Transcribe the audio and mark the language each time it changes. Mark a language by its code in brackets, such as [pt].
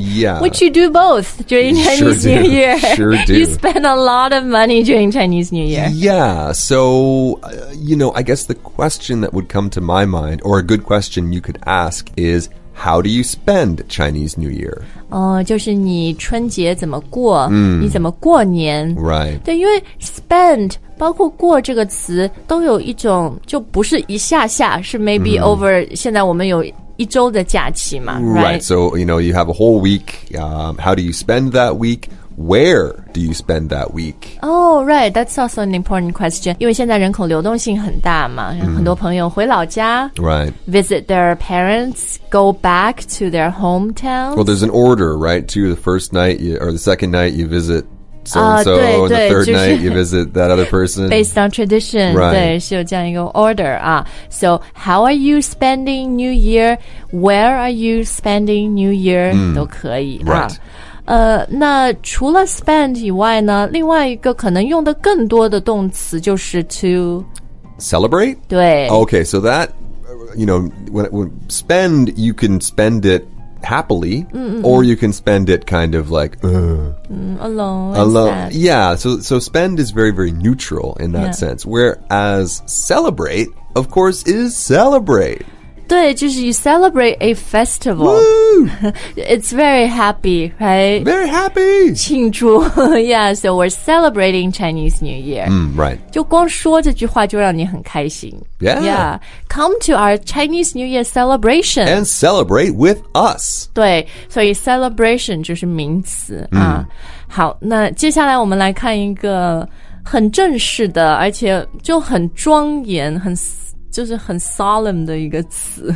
[en] Yeah. Which you do both during Chinese New Year. Sure do. You spend a lot of money during Chinese New Year. Yeah. So,、you know, I guess the question that would come to my mind, or a good question you could ask is,How do you spend Chinese New Year? [zh] 就是你春节怎么过、你怎么过年 [en] Right. [zh] 对，因为 spend 包括过这个词都有一种就不是一下下是 [en] maybe over [zh] 现在我们有一周的假期嘛 [en] right? right. So, you know, you have a whole week.、how do you spend that week? Where do you spend that week? Oh, right. That's also an important question. [zh] 因为现在人口流动性很大嘛，很多朋友回老家 [en] Right. Visit their parents, go back to their hometown. Well, there's an order, right? To the first night you, or the second night you visit so-and-so. And the third night you visit that other person. Based on tradition. Right. [zh] 对，是有这样一个 order 啊。 [en] So, how are you spending New Year? Where are you spending New Year? [zh] 都可以。 [en] Right. [zh] 那除了 spend 以外呢，另外一个可能用的更多的动词就是 to [en] celebrate. [zh] 对 [en] Okay, so that you know when spend, you can spend it happily, or you can spend it kind of like alone. Yeah, so spend is very very neutral in that sense. Whereas celebrate, of course, is celebrate. [zh] 对，就是 [en] you celebrate a festival. It's very happy, right? Very happy! [zh] 庆祝 [en] Yeah, so we're celebrating Chinese New Year. Right. [zh] 就光说这句话就让你很开心。 [en] Yeah. Yeah. Come to our Chinese New Year celebration. And celebrate with us. [zh] 对，所以 celebration 就是名词、啊。好，那接下来我们来看一个很正式的，而且就很庄严，很就是很 solemn 的一个词。